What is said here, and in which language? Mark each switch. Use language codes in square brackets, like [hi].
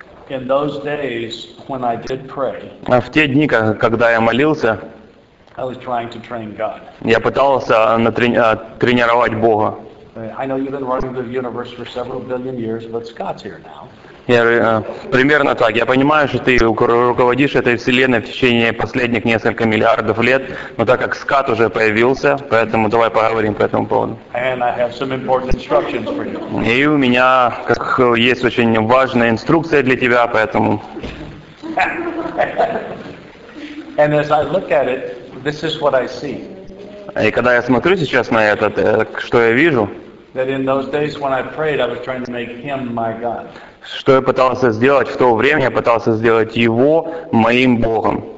[en] In those days when I did pray, [ru] в те дни, когда я молился, [en] I was trying to train God. [ru] Я пытался тренировать Бога. [en] I know you've been running the universe for several billion years, but Scott's here now. [ru] Я примерно так. Я понимаю, что ты руководишь этой вселенной в течение последних нескольких миллиардов лет, но так как Скат уже появился, поэтому давай поговорим по этому поводу. [en] And I have some important instructions for you. [ru] И у меня есть очень важная инструкция для тебя, поэтому. [en] And as I look at it, this is what I see. [ru] И когда я смотрю сейчас на это, что я вижу? [en] That in those days when I prayed, I was trying to make Him my God. [ru] Что я пытался сделать в то время, я пытался сделать Его моим Богом.